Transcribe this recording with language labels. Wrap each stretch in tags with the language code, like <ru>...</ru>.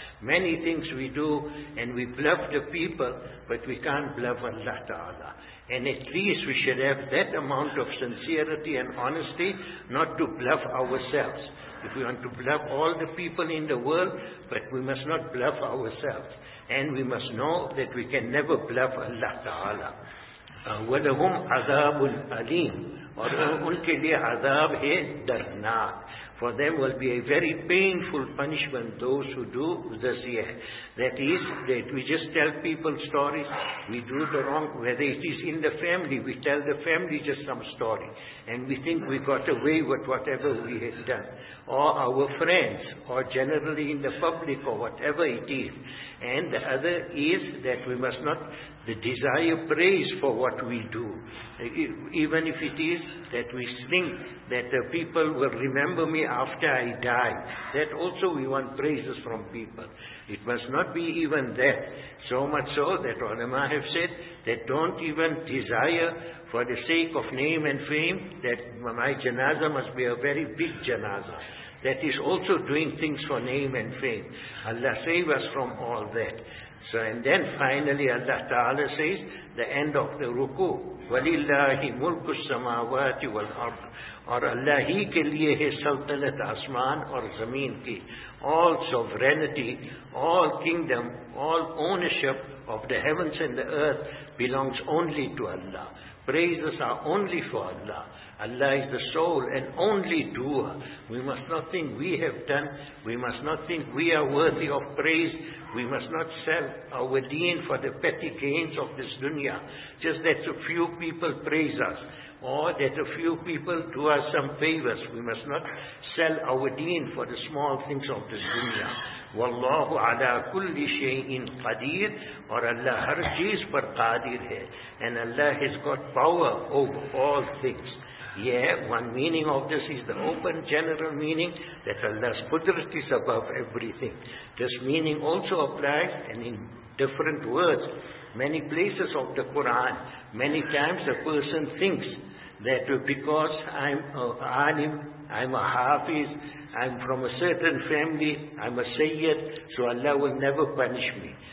<en>Many things we do, and we bluff the people, but we can't bluff Allah Ta'ala. And at least we should have that amount of sincerity and honesty, not to bluff ourselves. If we want to bluff all the people in the world, but we must not bluff ourselves. And we must know that we can never bluff Allah Ta'ala.</en> <ar>وَلَهُمْ عَذَابُ الْأَلِيمُ</ar> <ur>اور ان کے لئے عذاب ہے دردناک.</ur> <en>For them will be a very painful punishment, those who do the zina. That is, that we just tell people stories, we do the wrong, whether it is in the family, we tell the family just some story. And we think we got away with whatever we had done. Or our friends, or generally in the public, or whatever it is. And the other is that we must not desire praise for what we do. Even if it is that we think that the people will remember me after I die, that also we want praises from people. It must not be even that. So much so that ulama have said that don't even desire for the sake of name and fame that my janazah must be a very big janazah. That is also doing things for name and fame. Allah save us from all that. So, and then finally Allah Ta'ala says, the end of the ruku,</en> <ar>وَلِلَّهِ مُلْكُ السَّمَاوَاتِ وَالْأَرْضِ</ar> <ur>اور اللہ ہی کے لیے ہے سلطنت آسمان اور زمین کی.</ur> <en>All sovereignty, all kingdom, all ownership of the heavens and the earth belongs only to Allah. Praises are only for Allah. Allah is the sole and only doer. We must not think we have done. We must not think we are worthy of praise. We must not sell our deen for the petty gains of this dunya. Just that a few people praise us. Or that a few people do us some favors. We must not sell our deen for the small things of this dunya.</en> <ar>وَاللَّهُ عَلَىٰ كُلِّ شَيْءٍ قَدِيرٍ</ar> <ur>اور اللہ ہر چیز پر قادر ہے.</ur> <en>And Allah has got power over all things. Yeah, one meaning of this is the open general meaning that Allah's qudrat is above everything. This meaning also applies and in different words. Many places of the Quran, many times a person thinks that because I'm an alim, I'm a hafiz, I'm from a certain family, I'm a sayyid, so Allah will never punish me.</en>